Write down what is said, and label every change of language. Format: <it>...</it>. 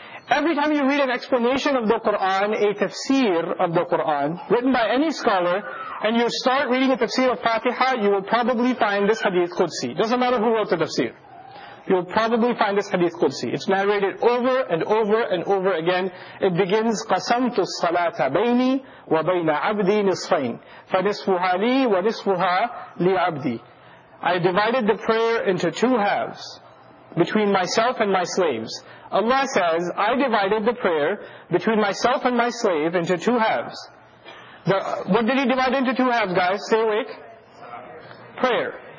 <en>Every time you read an explanation of the Qur'an, a tafsir of the Qur'an, written by any scholar, and you start reading a tafsir of Fatiha, you will probably find this Hadith Qudsi. Doesn't matter who wrote the tafsir. You'll probably find this Hadith Qudsi. It's narrated over and over and over again. It begins,</en> <ar>قَسَمْتُ الصَّلَاةَ بَيْنِي وَبَيْنَ عَبْدِي نِصْفَيْنِ فَنِصْفُهَا لِي وَنِصْفُهَا لِعَبْدِي.</ar> <en>I divided the prayer into two halves, between myself and my slaves. Allah says, I divided the prayer between myself and my slave into two halves. What did He divide into two halves, guys? Stay awake. Prayer.</en>